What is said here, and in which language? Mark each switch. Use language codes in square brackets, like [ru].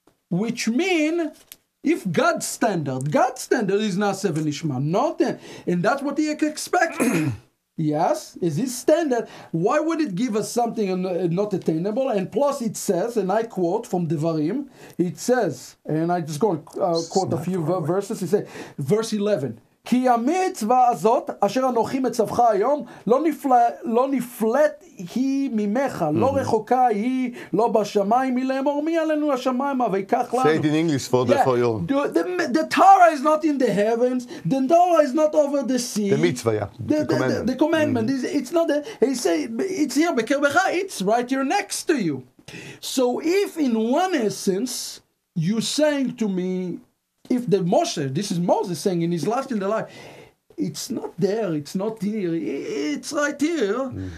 [en] Which means, if God's standard is not seven Ishma, not ten. And that's what he expected. Yes, is his standard. Why would it give us something not attainable? And plus it says, and I quote from Devarim, it says, and I just gonna quote a few verses, it says, verse 11. [he] כי המצווה הזאת אשר אנוכי מצווך היום לא נפלט היא ממך, לא רחוקה היא, לא בשמיים, היא לאמור מי עלינו השמיים, ויקח לנו. [en] Say it in English for you. The Torah is not in the heavens, the Torah is not over the sea. The mitzvah, yeah. The commandment. It's not there. He said, it's here, בקרבך, it's right here next to you. So if in one essence you're saying to me, if the Moshe, this is Moses saying in his last in the life, it's not there, it's not here, it's right here. Mm-hmm.